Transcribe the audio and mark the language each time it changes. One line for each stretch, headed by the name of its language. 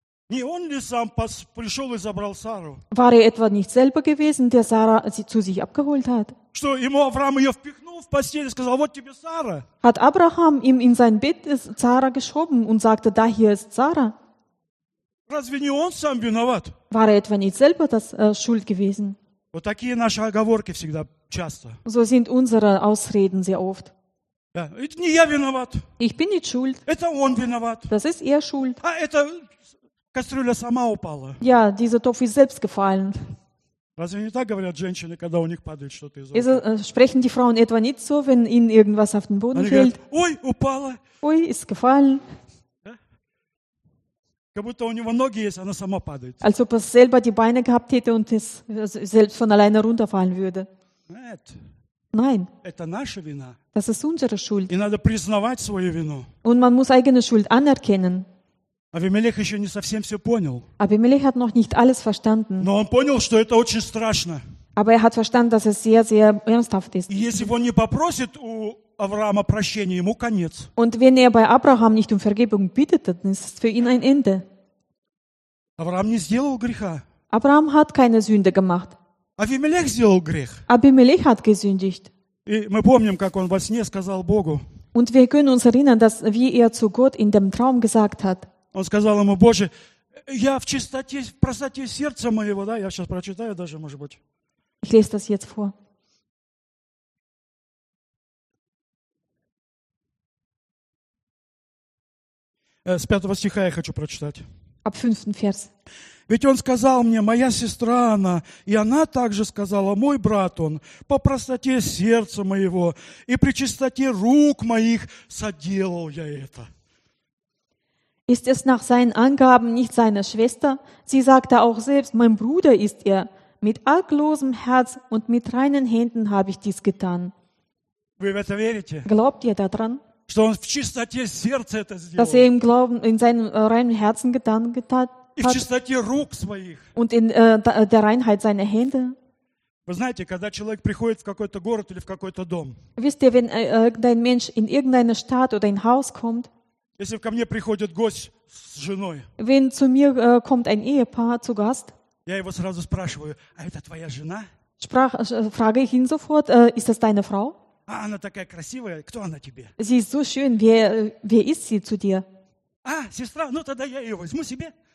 Russian: Не он ли сам пришел и забрал Сару?
German: War er etwa nicht selber gewesen, der Sarah sie zu sich abgeholt hat?
Russian: Что ему Авраам ее впихнул в постель и сказал: «Вот тебе Сара».
German: Hat Abraham ihm in sein Bett Sarah geschoben und sagte: «Da hier ist Sarah».
Russian: Разве не он сам виноват?
German: War er etwa nicht selber das schuld gewesen?
Russian: Вот такие наши оговорки всегда часто.
German: So sind unsere Ausreden sehr oft.
Russian: Ja, это не я виноват.
German: Ich bin nicht schuld.
Russian: Это он виноват.
German: Das ist er schuld.
Russian: А это кастрюля сама упала.
German: Ja, dieser Topf ist selbst gefallen.
Russian: Разве не так говорят женщины, когда у них падает что-то из рук?
German: Sprechen die Frauen etwa nicht so, wenn ihnen irgendwas auf den Boden fällt?
Russian: Ой, упала.
German: Ой, ist gefallen.
Russian: Как будто у него ноги есть, она сама падает.
German: Als ob er selber die Beine gehabt hätte und es selbst von alleine runterfallen würde.
Russian: Нет.
German: Nein.
Russian: Это наша вина.
German: Das ist unsere Schuld.
Russian: И надо признавать свою вину.
German: Und man muss eigene Schuld anerkennen.
Russian: Авимелех еще не совсем все понял.
German: Абимелех hat noch nicht alles verstanden.
Russian: Но он понял, что это очень страшно.
German: Aber er hat verstanden, dass es sehr, sehr ernsthaft ist.
Russian: И если он не попросит у Авраама прощения, ему конец.
German: Und wenn er bei Abraham nicht um Vergebung bittet, dann ist es für ihn ein Ende.
Russian: Авраам не сделал греха.
German: Abraham hat keine Sünde gemacht.
Russian: Авимелех сделал грех.
German: Абимелех hat gesündigt.
Russian: И мы помним, как он во сне сказал Богу.
German: Und wir können uns erinnern, dass wie er zu Gott in dem Traum gesagt hat.
Russian: Он сказал ему: «Боже, я в чистоте, в простоте сердца моего», да, я сейчас прочитаю даже, может быть.
German: Ich lese das jetzt vor.
Russian: С 5 стиха я хочу прочитать.
German: Ab 5. Vers.
Russian: «Ведь он сказал мне: моя сестра она, и она также сказала: мой брат он, по простоте сердца моего и при чистоте рук моих соделал я это».
German: Ist es nach seinen Angaben nicht seine Schwester? Sie sagte auch selbst: mein Bruder ist er. Mit arglosem Herz und mit reinen Händen habe ich dies getan.
Russian: Вы в это верите?
German: Glaubt ihr daran?
Russian: Что он в чистоте сердца это сделал?
German: Dass er im Glauben, in seinem reinen Herzen getan hat.
Russian: И в чистоте рук своих.
German: Und in der Reinheit seiner Hände.
Russian: Вы знаете, когда человек приходит в какой-то город или в какой-то дом.
German: Wisst ihr, wenn ein Mensch in irgendeine Stadt oder ein Haus kommt.
Russian: Если ко мне приходит гость с женой.
German: Wenn zu mir kommt ein Ehepaar zu Gast.
Russian: Я его сразу спрашиваю: а это твоя жена?
German: Frage ich ihn sofort: ist das deine Frau?
Russian: А она такая красивая, кто она тебе?
German: Sie ist so schön, wer ist sie zu dir?
Russian: А, сестра, ну тогда я ее возьму себе.